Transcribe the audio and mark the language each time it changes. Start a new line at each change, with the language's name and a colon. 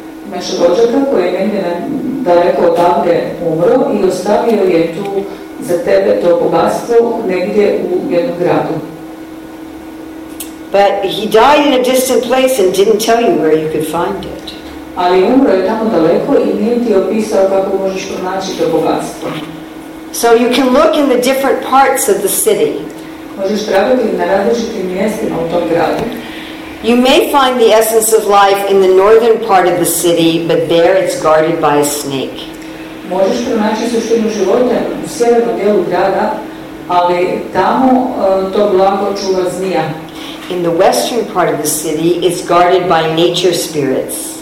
Croatian: Imaš rođaka koji je negdje daleko odavde umro i ostavio je tu za tebe to bogatstvo negdje u jednom gradu.
English: But he died in a distant place and didn't tell you where you could find it.
Croatian: Ali umro je tamo daleko i nije ti opisao kako možeš pronaći to bogatstvo.
English: So you can look in the different parts of the city.
Croatian: Možeš tražiti na različitim mjestima u tom gradu.
English: You may find the essence of life in the northern part of the city, but there it's guarded by a snake.
Croatian: Možeš pronaći suštinu života u sjevernom dijelu grada, ali tamo to blago čuva zmija.
English: In the western part of the city, it's guarded by nature spirits.